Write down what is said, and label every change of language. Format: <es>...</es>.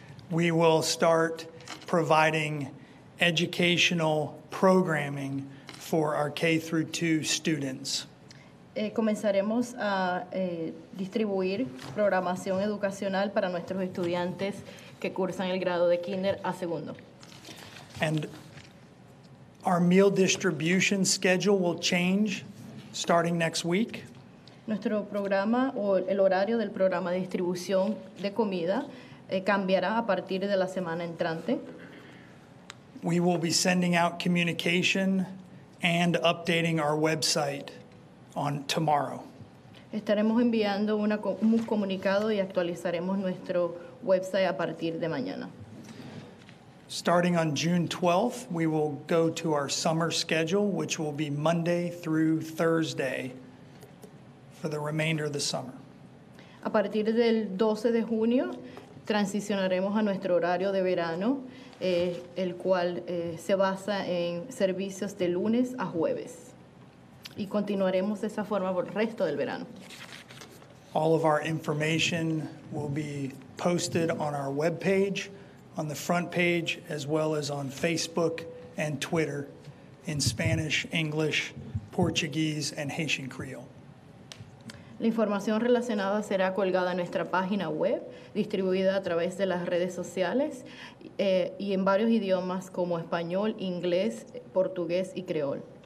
<en>we will start providing educational programming for our K through 2 students.</en> <es>Comenzaremos a distribuir programación educacional para nuestros estudiantes que cursan el grado de kinder a segundo.</es> <en>And our meal distribution schedule will change starting next week.</en> <es>Nuestro programa o el horario del programa de distribución de comida cambiará a partir de la semana entrante.</es> <en>We will be sending out communication and updating our website on tomorrow.</en> <es>Estaremos enviando un comunicado y actualizaremos nuestro website a partir de mañana.</es> <en>Starting on June 12th, we will go to our summer schedule, which will be Monday through Thursday. For the remainder of the summer.</en> <es>A partir del 12 de junio, transicionaremos a nuestro horario de verano, el cual se basa en servicios de lunes a jueves. Y continuaremos de esa forma por el resto del verano.</es> <en>All of our information will be posted on our webpage, on the front page, as well as on Facebook and Twitter, in Spanish, English, Portuguese, and Haitian Creole.</en> <es>La información relacionada será colgada en nuestra página web, distribuida a través de las redes sociales y en varios idiomas como español, inglés, portugués y creol.</es>